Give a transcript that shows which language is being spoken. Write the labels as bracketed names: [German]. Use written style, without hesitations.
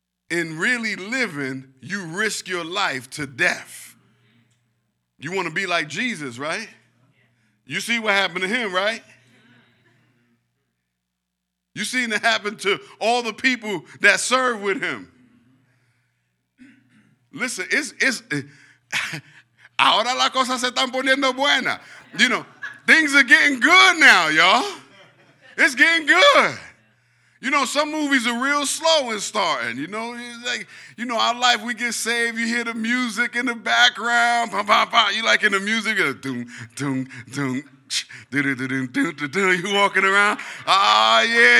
[English] In really living, you risk your life to death. You want to be like Jesus, right? You see what happened to him, right? You seen it happen to all the people that serve with him. Listen, it's [Spanish] ahora las cosas se están poniendo buenas. [English] You know, things are getting good now, y'all. It's getting good. You know, some movies are real slow in starting. You know, it's like, you know, our life, we get saved. You hear the music in the background. Pow, pow, pow. You like in the music. Doom, doom, doom, doom, doom, doom, doom. You walking around. Ah, yeah.